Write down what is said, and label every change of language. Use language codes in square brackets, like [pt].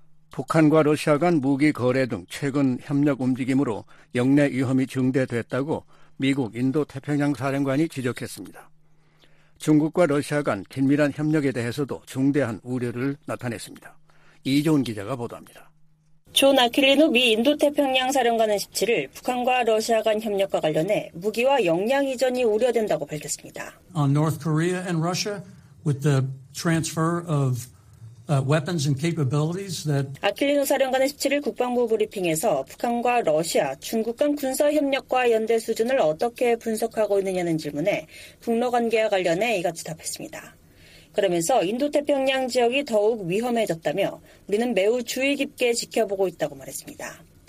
[ko] 북한과 러시아 간 무기 거래 등 최근 협력 움직임으로 영내 위험이 증대됐다고 미국 인도태평양 사령관이 지적했습니다. 중국과 러시아 간 긴밀한 협력에 대해서도 중대한 우려를 나타냈습니다. 이종훈 기자가 보도합니다. 존 아킬리노 미 인도태평양 사령관은 17일 북한과 러시아 간 협력과 관련해 무기와 역량 이전이 우려된다고 밝혔습니다. [en] North Korea and Russia with the transfer of weapons and capabilities that [ko] 아킬리노 사령관은 17일 국방부 브리핑에서 북한과 러시아, 중국 간 군사 협력과 연대 수준을 어떻게 분석하고 있느냐는 질문에 북러 관계와 관련해 이같이 답했습니다. 그러면서 인도태평양 지역이 더욱 위험해졌다며 우리는 매우 주의 깊게 지켜보고 있다고 말했습니다.